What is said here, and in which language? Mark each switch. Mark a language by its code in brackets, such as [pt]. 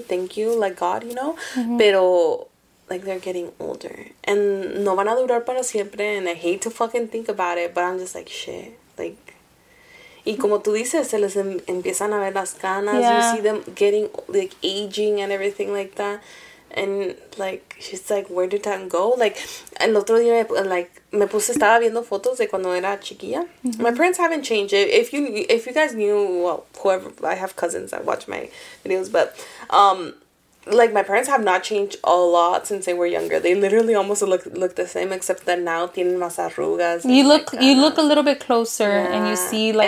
[en] Thank you, like, God, you know? Mm-hmm. Pero, like, they're getting older. And [es] no van a durar para siempre, [en] and I hate to fucking think about it, but I'm just like, shit, like, [es] y como tú dices, se les empiezan a ver las canas. [en] Yeah. You see them getting, like, aging and everything like that. And, like, she's like, where did that go? [es] Like, el otro día, like, me puse, estaba viendo fotos de cuando era chiquilla. [en] Mm-hmm. My parents haven't changed. If you guys knew, well, whoever, I have cousins that watch my videos, but, like, my parents have not changed a lot since they were younger. They literally almost look the same, except that now [es] tienen más arrugas. [en] You look a little bit closer, yeah. And you see, like,